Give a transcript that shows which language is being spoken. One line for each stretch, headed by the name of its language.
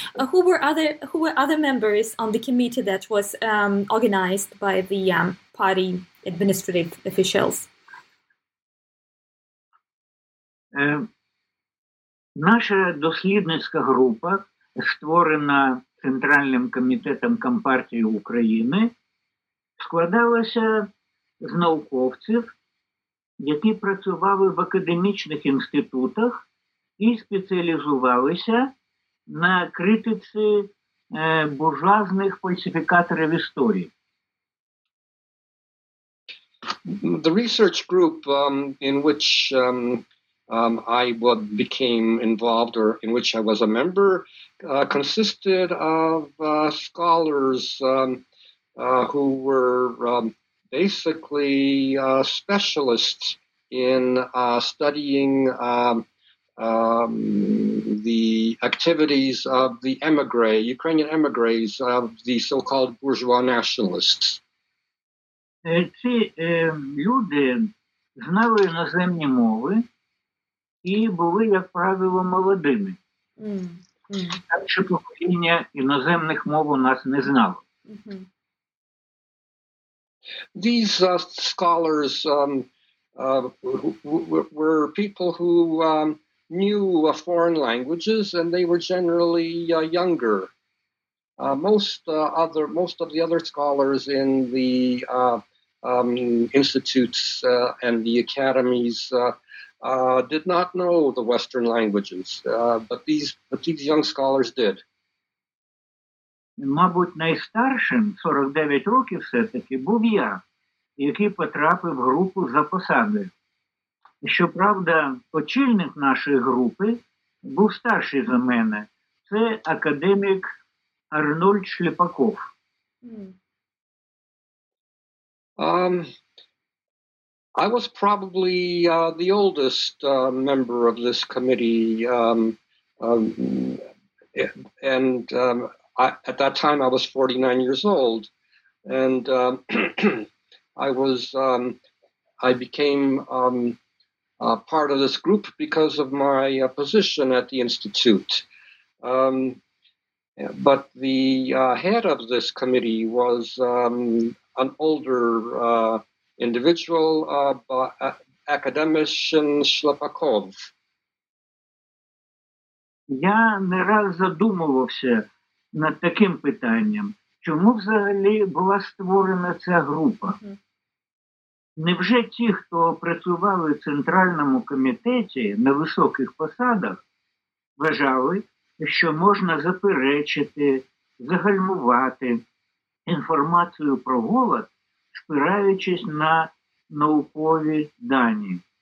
English: Who were other members on the committee that was organized by the party administrative officials?
Ukrainian: Наша дослідницька група створена Центральним комітетом Компартії України складалася з науковців, які працювали в академічних інститутах і спеціалізувалися на критиці буржуазних фальсифікаторів історії.
English: The research group in which I became involved, or in which I was a member, consisted of scholars who were basically specialists in studying the activities of the emigre, Ukrainian emigres of the so-called bourgeois nationalists.
Ukrainian: Ці люди знали іноземні мови і були, як правило, молодими. Так що покоління іноземних мов у нас не знало.
English: These scholars were people who knew foreign languages, and they were generally younger. Most of the other scholars in the institutes and the academies did not know the Western languages, but these young scholars did.
Ukrainian: Мабуть, найстаршим, 49 років все-таки, був я, який потрапив в групу за посади. Щоправда, очільник нашої групи був старший за мене. Це академік Арнольд Шліпаков.
English: I was probably the oldest member of this committee, and at that time I was 49 years old, and I became part of this group because of my position at the institute. But the head of this committee was an older individual, academician Шлепаков.
Ukrainian: Я не раз задумувався над таким питанням. Чому взагалі була створена ця група? Невже ті, хто працювали в Центральному комітеті на високих посадах, вважали, що можна заперечити, загальмувати інформацію про голод, спираючись на наукові дані?